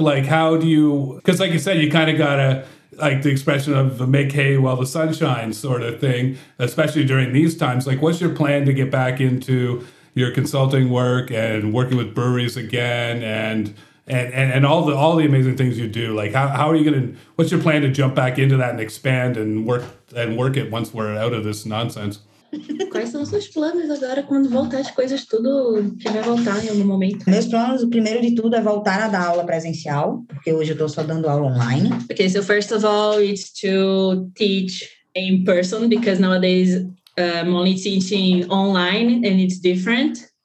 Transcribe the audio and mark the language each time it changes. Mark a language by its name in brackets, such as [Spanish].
[English] Like, how do you, because like you said, you kind of got to, like the expression of the make hay while the sun shines sort of thing, especially during these times. Like, what's your plan to get back into your consulting work and working with breweries again and all the amazing things you do? Like, how are you going to, what's your plan to jump back into that and expand and work it once we're out of this nonsense? [Portuguese] Quais são os seus planos agora quando voltar as coisas tudo, tiver voltar em algum momento? Meus planos, o primeiro de tudo é voltar a dar aula presencial, porque hoje eu tô só dando aula online. [English] Okay, so first of all, it's to teach in person, because nowadays I'm only teaching online and it's different.